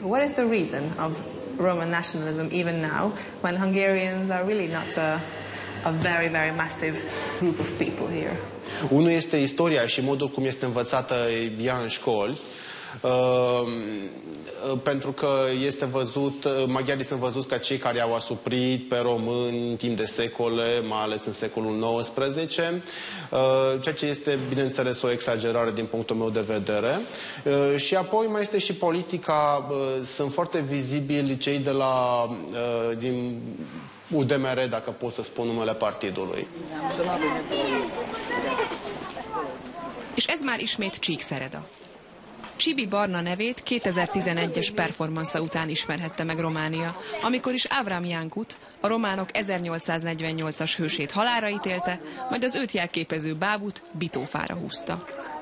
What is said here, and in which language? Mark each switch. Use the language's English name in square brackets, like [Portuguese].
[English] What is the reason of Roman nationalism even now when Hungarians are really not a very, very massive group of people here? [Romanian] Unul este istoria și modul cum este învățată ea în școli. Pentru că este văzut, maghiarii sunt văzuți ca cei care i-au asuprit pe români timp de secole, mai ales în secolul XIX, ceea ce este, bineînțeles, o exagerare din punctul meu de vedere. Și apoi mai este și politica, sunt foarte vizibili cei de la, din UDMR, dacă pot să spun numele partidului. [Hungarian] Și ez már ismét Csíkszereda. Csibi Barna nevét 2011-es performansza után ismerhette meg Románia, amikor is Avram Jánkut, a románok 1848-as hősét halálra ítélte, majd az őt jelképező bábut bitófára húzta.